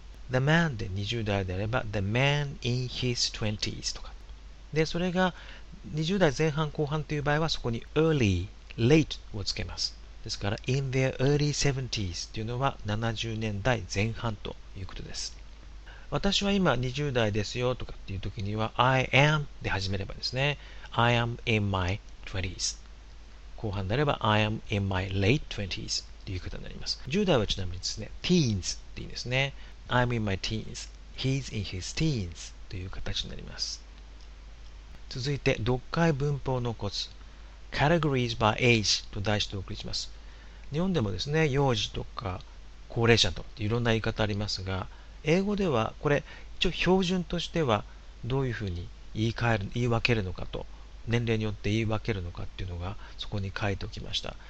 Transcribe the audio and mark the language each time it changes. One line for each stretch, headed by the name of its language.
Japanese: the man で20代であれば
English: the man in his 20s
Japanese: とかで、それが20代前半後半という場合はそこに early、 late をつけます。ですから
English: in their early 70s
Japanese: というのは70年代前半ということです。私は今20代ですよとかっていう時には
English: I am
Japanese: で始めればですね、
English: I am in my 20s
Japanese: 後半になれば
English: I am in my late 20s
Japanese: ということになります。 10代はちなみにですね teens っていいですね。
English: I'm in my teens He's in his teens
Japanese: という形になります。続いて読解文法のコツ
English: Categories by age
Japanese: と題してお送りします。日本でもですね幼児とか高齢者といろんな言い方ありますが、英語ではこれ一応標準としてはどういうふうに言い分けるのかと、年齢によって言い分けるのかっていうのがそこに書いておきました。